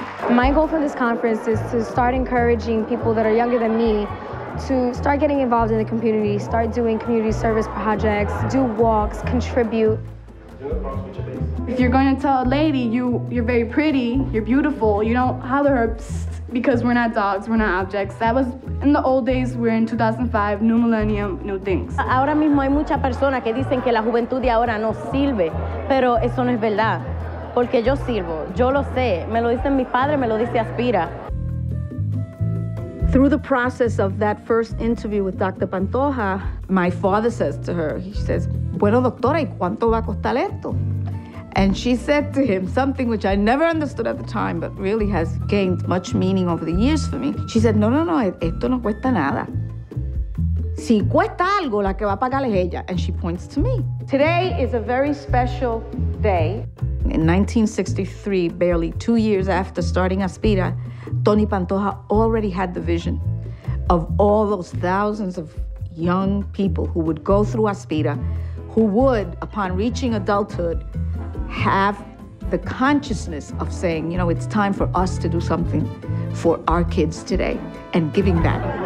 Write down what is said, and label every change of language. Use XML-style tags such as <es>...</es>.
<en>My goal for this conference is to start encouraging people that are younger than me to start getting involved in the community, start doing community service projects, do walks, contribute. If you're going to tell a lady you're very pretty, you're beautiful, you don't holler her, psst, because we're not dogs, we're not objects. That was in the old days, we're in 2005, new millennium, new things.</en> <es>Ahora mismo hay muchas personas que dicen que la juventud de ahora no sirve, pero eso no es verdad, porque yo sirvo, yo lo sé. Me lo dicen mis padres, me lo dice Aspira.</es> <en>Through the process of that first interview with Dr. Pantoja, my father says to her, he says,</en> <es>bueno, doctora, ¿y cuánto va a costar esto?</es> <en>And she said to him something which I never understood at the time, but really has gained much meaning over the years for me. She said,</en> <es>no, no, no, esto no cuesta nada. Si cuesta algo, la que va a pagar es ella.</es> <en>And she points to me. Today is a very special day. In 1963, barely 2 years after starting Aspira, Tony Pantoja already had the vision of all those thousands of young people who would go through Aspira, who would, upon reaching adulthood, have the consciousness of saying, you know, it's time for us to do something for our kids today, and giving that.</en>